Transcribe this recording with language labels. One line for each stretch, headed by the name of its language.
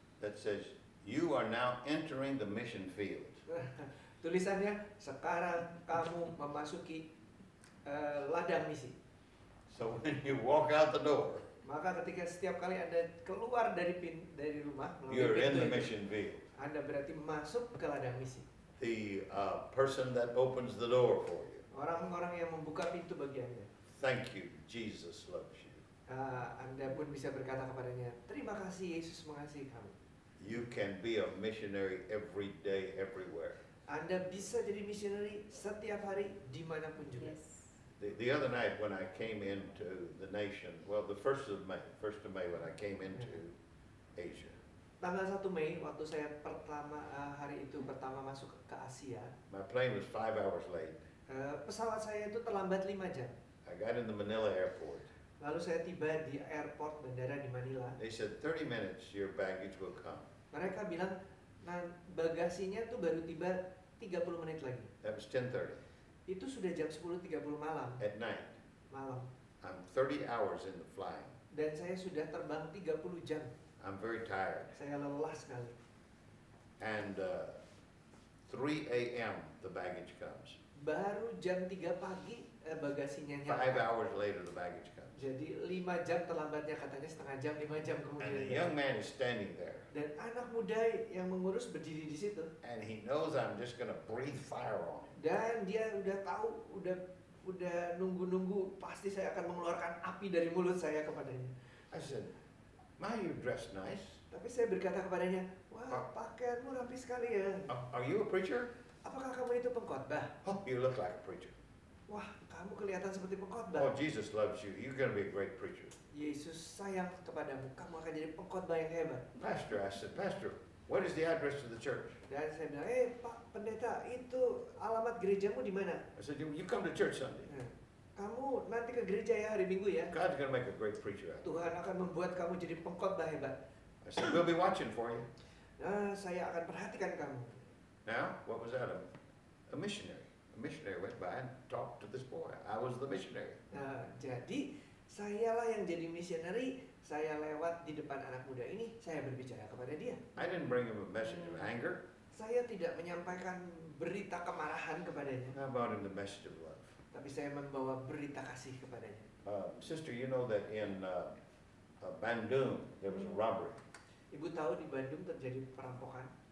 English: That says, you are now entering the mission field.
Indonesian: Tulisannya, sekarang kamu memasuki ladang misi.
English: So when you walk out the door.
Indonesian: Maka ketika setiap kali Anda keluar dari rumah,
English: you're in the mission field.
Indonesian: Anda berarti masuk ke ladang misi.
English: The person that opens the door for you.
Indonesian: Orang-orang yang membuka pintu bagi Anda.
English: Thank you, Jesus loves you.
Indonesian: Anda pun bisa berkata kepadanya, terima kasih Yesus mengasihi kamu.
English: You can be a missionary every day, everywhere.
Indonesian: Anda bisa jadi missionary setiap hari dimanapun juga.
English: Yes. The other night when I came into the nation, well, the first of May when I came into Asia.
Indonesian: Tanggal 1 Mei waktu saya pertama masuk ke Asia.
English: My plane was 5 hours late.
Indonesian: Pesawat saya itu terlambat 5 jam.
English: I got in the Manila airport.
Indonesian: Lalu saya tiba di airport bandara di Manila.
English: They said 30 minutes your baggage will come.
Indonesian: Mereka bilang bagasinya tuh baru tiba 30 menit lagi.
English: That was 10:30.
Indonesian: Itu sudah jam 10:30 malam.
English: At night.
Indonesian: Malam.
English: I'm 30 hours in the flying.
Indonesian: Dan saya sudah terbang 30 jam.
English: I'm very tired.
Indonesian: Saya lelah sekali.
English: And 3 a.m. the baggage comes.
Indonesian: Baru jam 3 pagi bagasinya nyampe.
English: 5 hours later the baggage comes.
Indonesian: Jadi 5 jam terlambatnya katanya setengah jam, 5 jam kemudian.
English: And the young man is standing there.
Indonesian: Dan anak muda yang mengurus berdiri di situ.
English: And he knows I'm just gonna breathe fire on him.
Indonesian: Dan dia udah tahu, udah nunggu-nunggu pasti saya akan mengeluarkan api dari mulut saya kepadanya.
English: I said, "Why you dress nice?"
Indonesian: Tapi saya berkata kepadanya, "Wah, pakaianmu rapi sekali ya."
English: Are you a preacher?
Indonesian: Apakah kamu itu pengkhotbah?
English: Oh, you look like a preacher.
Indonesian: Wah, kamu kelihatan seperti pengkhotbah.
English: Oh, Jesus loves you. You're going to be a great preacher.
Indonesian: Yesus sayang kepadamu. Kamu akan jadi pengkhotbah yang hebat.
English: Pastor, I said, Pastor, what is the address of the church?
Indonesian: Dan saya bilang, Pak Pendeta, itu alamat gerejamu di mana?
English: I said, you come to church Sunday.
Indonesian: kamu nanti ke gereja ya hari Minggu ya.
English: God's gonna make a great preacher.
Indonesian: Tuhan akan membuat kamu jadi pengkhotbah hebat.
English: I said, we'll be watching for you.
Indonesian: Nah, saya akan perhatikan kamu.
English: Now, what was that? A missionary. A missionary went by and talked to this boy. I was the missionary.
Indonesian: Jadi, sayalah yang jadi missionary. Saya lewat di depan anak muda ini. Saya berbicara kepada dia.
English: I didn't bring him a message of anger.
Indonesian: Saya tidak menyampaikan berita kemarahan kepadanya.
English: I brought him the message of love.
Indonesian: Tapi saya membawa berita kasih kepadanya.
English: Sister, you know that in Bandung there was a robbery.
Indonesian: Ibu tahu di Bandung terjadi perampokan.